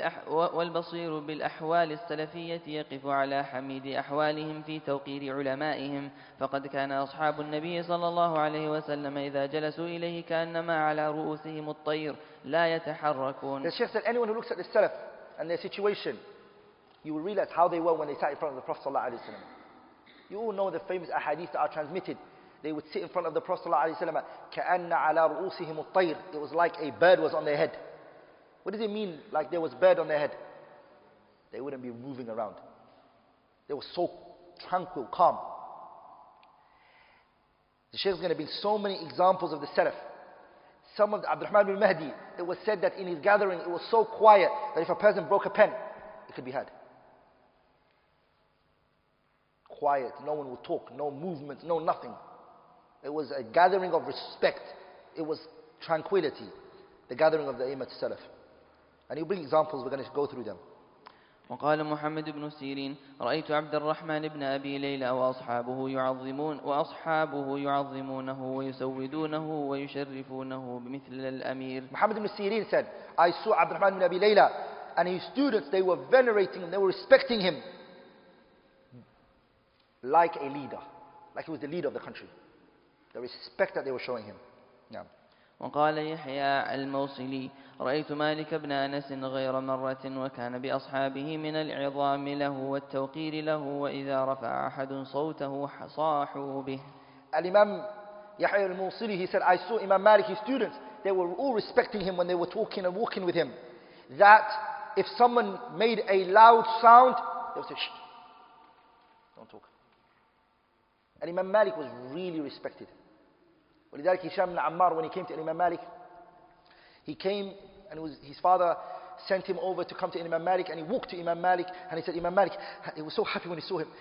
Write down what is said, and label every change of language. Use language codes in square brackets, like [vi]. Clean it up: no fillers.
[ar] والبصير بالأحوال السلفية يقف على حميد أحوالهم في توقير علمائهم فقد كان أصحاب النبي صلى الله عليه وسلم إذا جلسوا إليه كأنما على رؤوسهم الطير لا يتحركون. [en] The Sheikh said, anyone who looks at the Salaf and their situation, you will realize how they were when they sat in front of the Prophet. You all know the famous ahadith that are transmitted. They would sit in front of the Prophet, [ar] كَأَنَّ عَلَى رُؤُوسِهِمُ الطَّيْرِ. [en] It was like a bird was on their head. What does it mean, like there was a bird on their head? They wouldn't be moving around. They were so tranquil, calm. The Shaykh is going to bring so many examples of the Salaf. Some of the Abdurrahman ibn Mahdi, it was said that in his gathering it was so quiet that if a person broke a pen, it could be heard. Quiet, no one would talk, no movement, no nothing. It was a gathering of respect. It was tranquility, the gathering of the Imam Salaf. And he'll bring examples, we're going to go through them. [ar] وقال محمد بن سيرين رأيت عبد الرحمن بن أبي ليلى وأصحابه يعظمونه ويسودونه ويشرفونه بمثل الأمير. [en] محمد بن سيرين said, I saw عبد الرحمن بن أبي ليلى and his students, they were venerating him, they were respecting him like a leader, like he was the leader of the country. The respect that they were showing him. Yeah. [ar] وقال يحيى الموصلي رأيت مالك بن أنس غير مرة وكان بأصحابه من العظام له والتوقير له وإذا رفع أحد صوته صاحوا به. [en] الإمام يحيى الموصلي, he said, I saw Imam Malik, his students, they were all respecting him when they were talking and walking with him, that if someone made a loud sound, they would say, shh, don't talk. And Imam Malik was really respected. ولذلك هشام بن عمار, when he came to Imam Malik, he came and was, his father sent him over to come to Imam Malik, and he walked to Imam Malik and he said, Imam Malik, he was so happy when he saw him.